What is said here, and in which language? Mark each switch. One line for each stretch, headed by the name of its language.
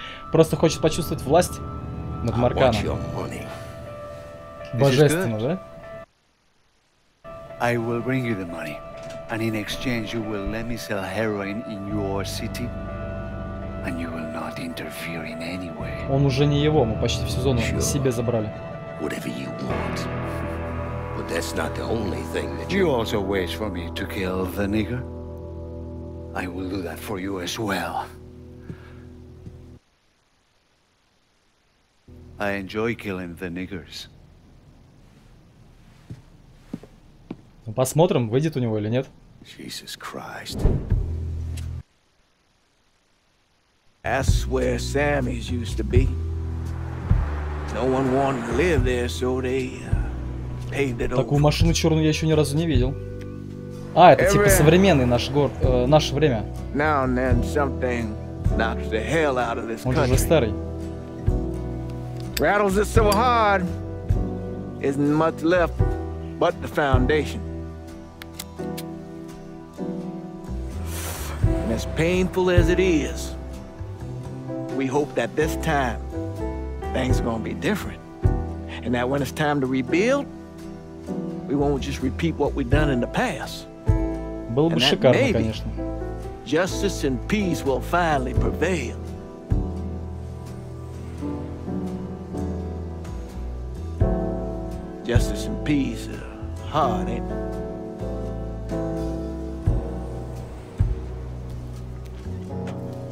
Russian: Просто хочет почувствовать власть над Марканом.
English: I want your money.
Russian: Божественно, да?
English: I will bring you the money, and in exchange you will let me sell heroin in your city. And you will not interfere in any way.
Russian: Он уже не его, мы почти всю зону sure. себе забрали.
English: Whatever you want. But that's not the only thing that you... You also wish for me to kill the nigger? I will do that for you as well. I enjoy killing the niggers.
Russian: Ну, посмотрим, выйдет у него или нет.
English: Jesus Christ. That's where Sammy's used to be. No one wanted to live there, so they paved it over.
Russian: Такую машину черную я еще ни разу не видел. А, это типа современный наш город, наше время.
English: Now and then something knocks the hell out of this country.
Russian: Он же старый.
English: Rattles it so hard, isn't much left but the foundation. And as painful as it is, we hope that this time things are going to be different, and that when it's time to rebuild, we won't just repeat what we've done in the past.
Russian: Было бы шикарно, конечно.
English: Justice and peace will finally prevail. Justice and peace are hard, ain't it?